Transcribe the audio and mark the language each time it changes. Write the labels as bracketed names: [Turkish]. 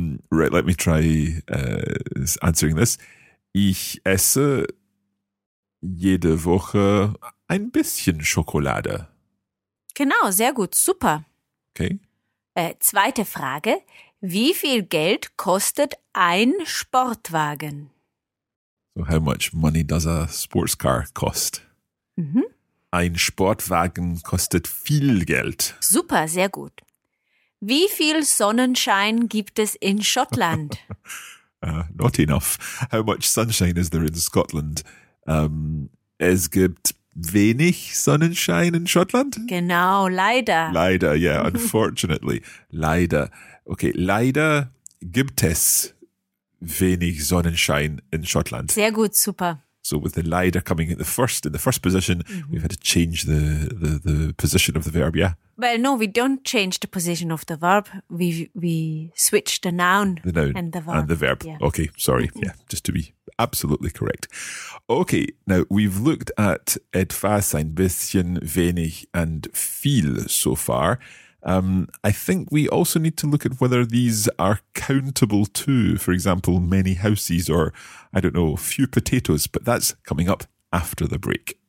[English] Right, let me try answering this. [German] Ich esse jede Woche ein bisschen Schokolade. Genau, sehr gut, super. [English] Okay. [German] Zweite Frage. Wie viel Geld kostet ein Sportwagen? [English] So how much money does a sports car cost? Mm-hmm. [German] Ein Sportwagen kostet viel Geld. Super, sehr gut. Wie viel Sonnenschein gibt es in Schottland? [English] not enough. How much sunshine is there in Scotland? [German] Es gibt wenig Sonnenschein in Schottland? Genau, leider. [English] Leider, yeah, unfortunately. [German] Leider. Okay, leider gibt es... wenig Sonnenschein in Schottland. Sehr gut, super. [English] So with the leider coming at the first, in the first position, mm-hmm. we've had to change the position of the verb, yeah? Well, no, we don't change the position of the verb. We switch the noun, and the verb. And the verb. Yeah. Okay, sorry. Yeah, just to be absolutely correct. Okay, now we've looked at etwas, ein bisschen, wenig, and viel so far. I think we also need to look at whether these are countable too. For example, many houses or, I don't know, few potatoes. But that's coming up after the break.